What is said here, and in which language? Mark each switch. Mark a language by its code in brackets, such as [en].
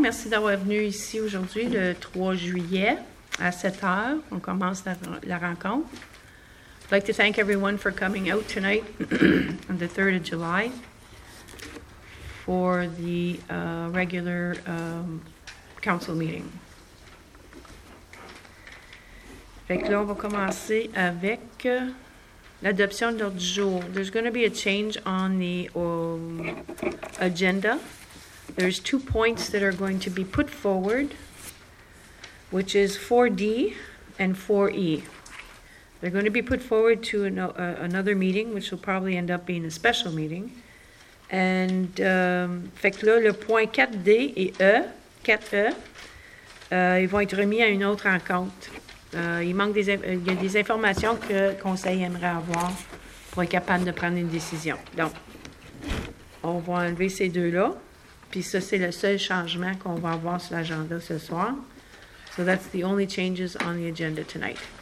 [fr] Merci d'avoir venu ici aujourd'hui, le 3 juillet, à 7 heures. On commence la rencontre. [en] I'd like to thank everyone for coming out tonight on the 3rd of July for the regular council meeting. [fr] Fait que là, on va commencer avec l'adoption de l'ordre du jour. [en] There's going to be a change on the agenda. There's two points that are going to be put forward, which is 4D and 4E. They're going to be put forward to another meeting, which will probably end up being a special meeting. [fr] And fait que là, le point 4D et E, 4E, ils vont être remis à une autre rencontre. Il y a des informations que le conseil aimerait avoir pour être capable de prendre une décision. Donc, on va enlever ces deux-là. Puis ça, c'est le seul changement qu'on va avoir sur l'agenda ce soir. [en] So that's the only changes on the agenda tonight.